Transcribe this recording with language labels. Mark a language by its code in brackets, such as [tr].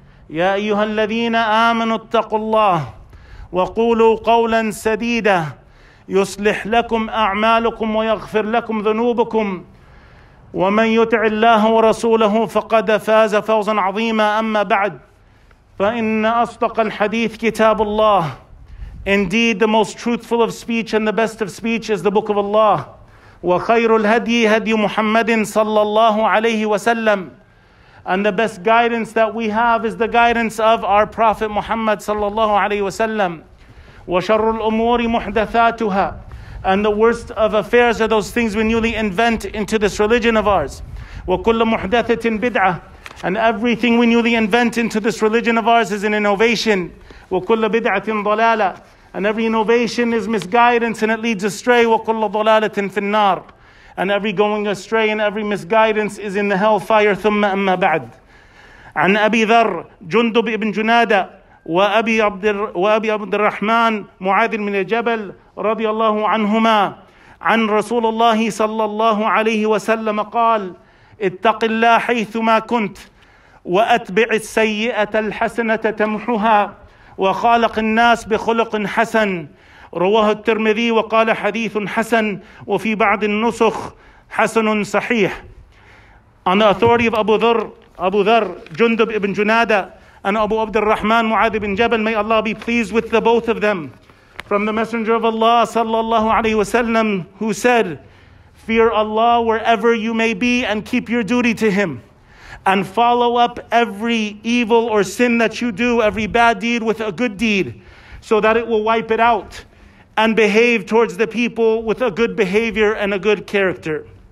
[ar] يا أيها الذين آمنوا اتقوا الله وقولوا قولا سديدا يصلح لكم أعمالكم ويغفر لكم ذنوبكم، ومن يطع الله ورسوله فقد فاز فوزا عظيما. أما بعد، فإن أصدق الحديث كتاب الله. [en] Indeed, the most truthful of speech and the best of speech is the book of Allah. [ar] وخير الهدي هدي محمد صلى الله عليه وسلم. [en] And the best guidance that we have is the guidance of our Prophet Muhammad sallallahu alayhi wa sallam. [ar] وَشَرُّ الْأُمُورِ مُحْدَثَاتُهَا. [en] And the worst of affairs are those things we newly invent into this religion of ours. [ar] وَكُلَّ مُحْدَثَةٍ بِدْعَةٍ. [en] And everything we newly invent into this religion of ours is an innovation. [ar] وَكُلَّ بِدْعَةٍ ضَلَالَةٍ. [en] And every innovation is misguidance and it leads astray. [ar] وَكُلَّ ضَلَالَةٍ فِي النَّارِ. [en] And every going astray and every misguidance is in the hellfire. [ar] ثم أما بعد. عن أبي ذر جندب ابن جنادة وأبي عبد الرحمن معاذ من الجبل رضي الله عنهما عن رسول الله صلى الله عليه وسلم قال: اتق الله حيثما كنت، وأتبع السيئة الحسنة تمحها، وخالق الناس بخلق حسن. رواه الترمذي وقال حديث حسن وفي بعض النسخ حسن صحيح. [en] On the authority of Abu Dhar, Jundub ibn Junada, and Abu Abd al-Rahman Mu'adh ibn Jabal, may Allah be pleased with the both of them, from the Messenger of Allah sallallahu alayhi wa sallam, who said, fear Allah wherever you may be and keep your duty to Him, and follow up every evil or sin that you do, every bad deed with a good deed, so that it will wipe it out, and behave towards the people with a good behavior and a good character.